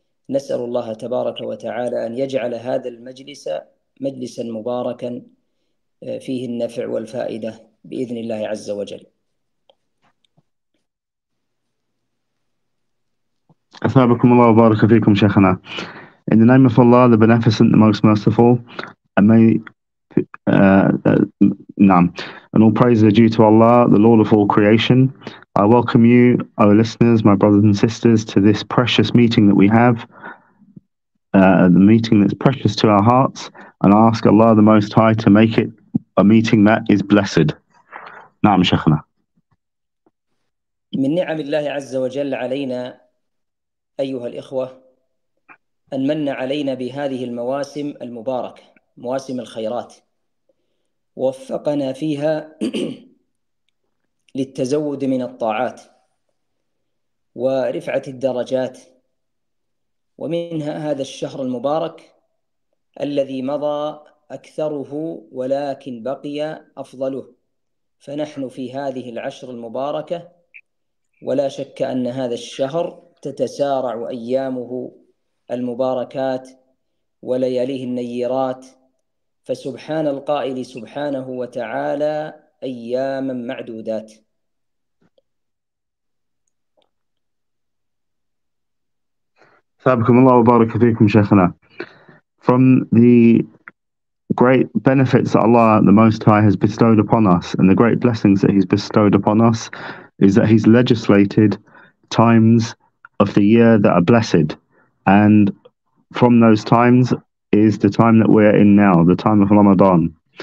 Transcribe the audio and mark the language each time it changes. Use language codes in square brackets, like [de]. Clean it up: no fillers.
[ar] نسأل الله تبارك وتعالى أن يجعل هذا المجلس مجلسا مباركا فيه النفع والفائدة بإذن الله عز وجل. أثابكم الله وبارك فيكم شيخنا. [en] In the name of Allah, the Beneficent, the Most Merciful, and may and all praises are due to Allah, the Lord of all creation. I welcome you, O listeners, my brothers and sisters, to this precious meeting that we have, the meeting that's precious to our hearts, and I ask Allah the Most High to make it a meeting that is blessed. [ar] Naam, Shaykhana. من نعم الله عز وجل علينا أيها الإخوة أن من علينا بهذه المواسم المباركة، مواسم الخيرات، وفقنا فيها للتزود من الطاعات ورفعة الدرجات، ومنها هذا الشهر المبارك الذي مضى أكثره ولكن بقي أفضله، فنحن في هذه العشر المباركة، ولا شك أن هذا الشهر تتسارع أيامه المباركات ولياليه النيرات، فسبحان القائل سبحانه وتعالى أياما معدودات. سابكم الله وبارك فيكم شيخنا. [en] From the great benefits that Allah the Most High has bestowed upon us and the great blessings that He's bestowed upon us is that He's legislated times of the year that are blessed, and from those times is the time that we're in now, the time of Ramadan.